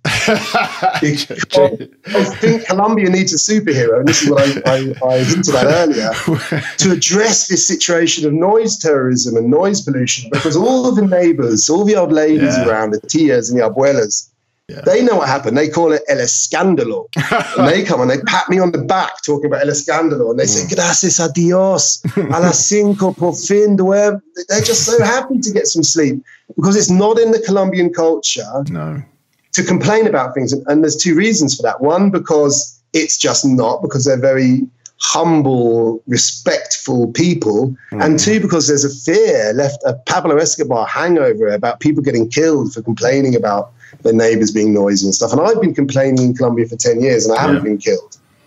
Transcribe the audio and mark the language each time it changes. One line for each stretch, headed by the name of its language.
English: I think Colombia needs a superhero, and this is what I hinted at earlier, to address this situation of noise terrorism and noise pollution, because all of the neighbors, all the old ladies around, the tías and the abuelas, they know what happened. They call it El Escándalo. And they come and they pat me on the back talking about El Escándalo. And they say,
Spanish: gracias a Dios, a las cinco, por fin, duerme.
English: They're just so happy to get some sleep, because it's not in the Colombian culture to complain about things. And there's two reasons for that. One, because it's just not, because they're very humble, respectful people. Mm. And two, because there's a fear left, a Pablo Escobar hangover about people getting killed for complaining about the neighbors being noisy and stuff. And I've been complaining in Colombia for 10 years and I haven't been killed.